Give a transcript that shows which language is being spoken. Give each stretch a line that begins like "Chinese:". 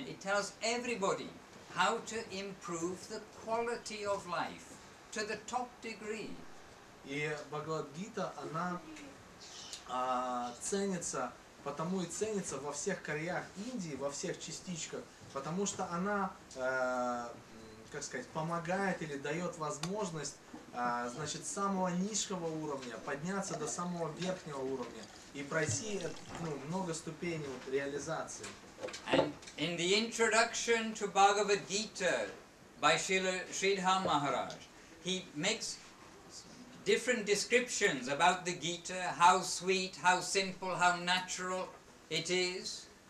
English: It tells everybody how to improve the quality of life to the top degree.
Russian: И Бхагавад-гита, она ценится, потому и ценится во всех краях Индии, во всех частичках, потому что она, как сказать, помогает или дает возможность, значит, с самого низшего уровня подняться до самого верхнего уровня и пройти много ступеней вот реализации.
English: And in the introduction to Bhagavad Gita by Sridhar Maharaj, he makes different descriptions about the Gita, how sweet, how simple, how natural it is.